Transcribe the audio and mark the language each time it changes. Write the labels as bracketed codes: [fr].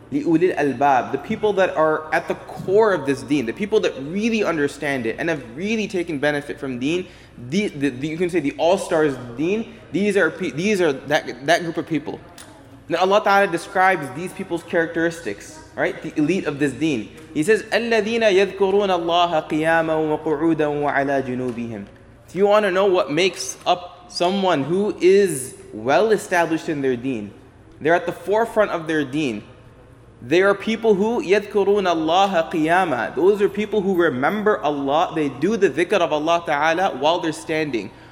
[ar] لِأُولِي الْأَلْبَابِ, [en] the people that are at the core of this deen, the people that really understand it, and have really taken benefit from deen, the, you can say the all-stars deen, these are that group of people. Now Allah Ta'ala describes these people's characteristics, right? The elite of this deen. He says, [ar] الَّذِينَ يَذْكُرُونَ اللَّهَ قِيَامًا وَقُعُودًا وَعَلَى جُنُوبِهِمْ. [en] If you want to know what makes up someone who is well established in their deen, they're at the forefront of their deen, they are people who [ar] يَذْكُرُونَ اللَّهَ قِيَامًا. [en] Those are people who remember Allah, they do the dhikr of Allah Ta'ala while they're standing.